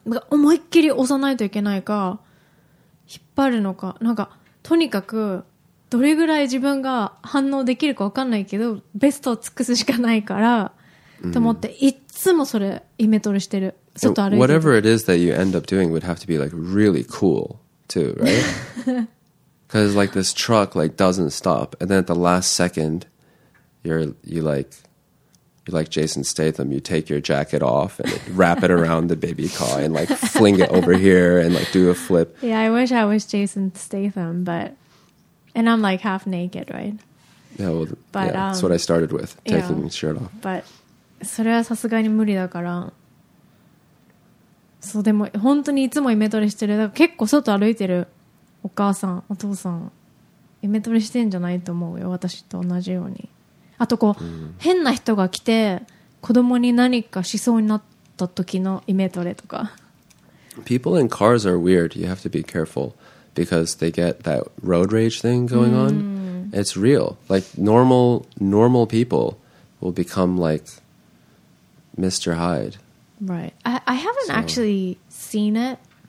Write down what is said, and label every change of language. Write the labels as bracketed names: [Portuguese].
[Japanese] 思いっきり押さないといけないか、引っ張るのか、なんか、とにかく、どれぐらい自分が反応できるか分かんないけど、ベストを尽くすしかないから、と思って、いつもそれ、イメトレしてる。外歩いてる。 [English] Whatever it is that you end up doing would have to be like really cool, too, right? Because like this truck like doesn't stop, and then at the last second, you're like Jason Statham, you take your jacket off and like, wrap it around the baby car and like fling it over here and like do a flip. Yeah, I wish I was Jason Statham, but... And I'm like half naked, right? Yeah, well, but, yeah, that's what I started with, taking my shirt off. [Japanese] But それはさすがに無理だから。そう、でも本当にいつもイメトレしてる。だから結構外歩いてるお母さん、お父さん、イメトレしてんじゃないと思うよ、私と同じように。あとこう、変な人が来て子供に何かしそうになった時のイメトレとか。 [English] People in cars are weird. You have to be careful because they get that road rage thing going on. It's real. Like normal people will become like Mr. Hyde. Right. I haven't actually seen it.